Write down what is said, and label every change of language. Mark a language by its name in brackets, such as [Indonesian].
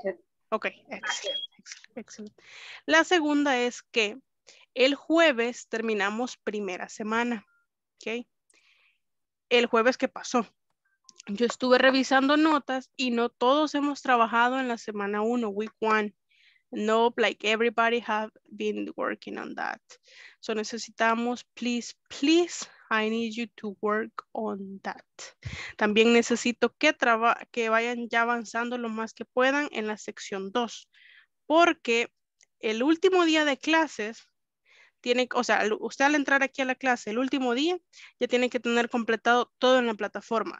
[Spanish] No, ok, excelente. La segunda es que el jueves terminamos primera semana, ¿ok? El jueves, ¿qué pasó? Yo estuve revisando notas y no todos hemos trabajado en la semana 1, [English] week 1. Nope, like everybody have been working on that. So [Spanish] necesitamos, [English] please, please, I need you to work on that. [Spanish] También necesito que vayan ya avanzando lo más que puedan en la sección 2. Porque el último día de clases, usted al entrar aquí a la clase el último día, ya tiene que tener completado todo en la plataforma.